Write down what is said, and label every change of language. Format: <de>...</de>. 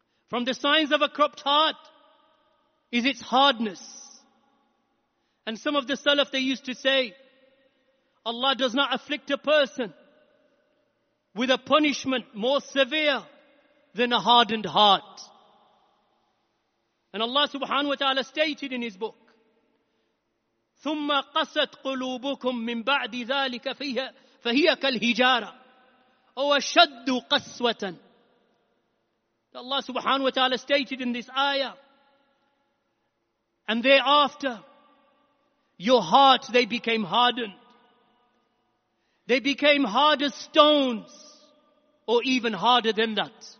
<en>From the signs of a corrupt heart is its hardness. And some of the Salaf, they used to say, Allah does not afflict a person with a punishment more severe than a hardened heart.</en> <ar>And Allah subhanahu wa ta'ala stated in his book, ثُمَّ قَسَتْ قُلُوبُكُمْ مِنْ بَعْدِ ذَٰلِكَ فِيهَا فَهِيَ كَالْهِجَارَةِ وَشَدُّ قَسْوَةً.</ar> <en>Allah subhanahu wa ta'ala stated in this ayah, and thereafter, your hearts, they became hardened. They became hard as stones, or even harder than that.</en>